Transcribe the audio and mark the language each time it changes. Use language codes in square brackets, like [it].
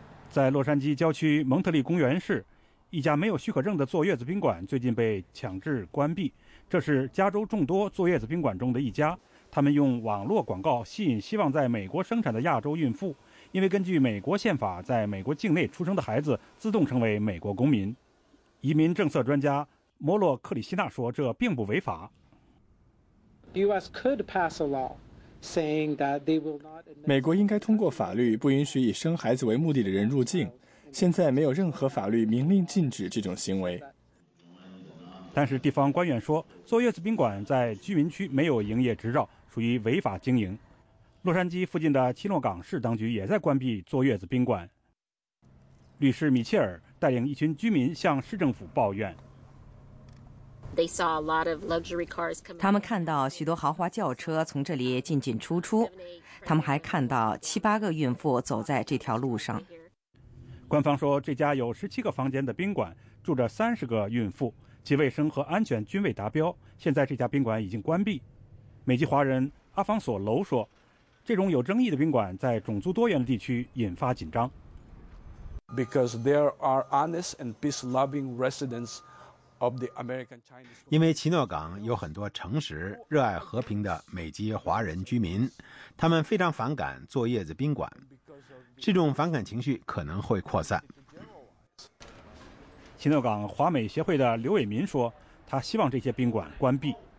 [zh] 在洛杉矶郊区蒙特利公园市，一家没有许可证的坐月子宾馆最近被强制关闭。这是加州众多坐月子宾馆中的一家，他们用网络广告吸引希望在美国生产的亚洲孕妇，因为根据美国宪法，在美国境内出生的孩子自动成为美国公民。移民政策专家摩洛克里希纳说，这并不违法。 [en] U.S. could pass a law saying that they will not. [zh] 美国应该通过法律不允许以生孩子为目的的人入境。现在没有任何法律明令禁止这种行为。但是地方官员说，坐月子宾馆在居民区没有营业执照，属于违法经营。洛杉矶附近的基诺港市当局也在关闭坐月子宾馆。律师米切尔带领一群居民向市政府抱怨。他们看到许多豪华轿车从这里进进出出，他们还看到七八个孕妇走在这条路上。官方说，这家有17个房间的宾馆住着30个孕妇，其卫生和安全均未达标。现在这家宾馆已经关闭。美籍华人阿方索·楼说，这种有争议的宾馆在种族多元的地区引发紧张。 [en] Because there are honest and peace-loving residents of the American Chinese. [zh] 因为奇诺港有很多诚实、热爱和平的美籍华人居民，他们非常反感坐月子宾馆。这种反感情绪可能会扩散。奇诺港华美协会的刘伟民说，他希望这些宾馆关闭。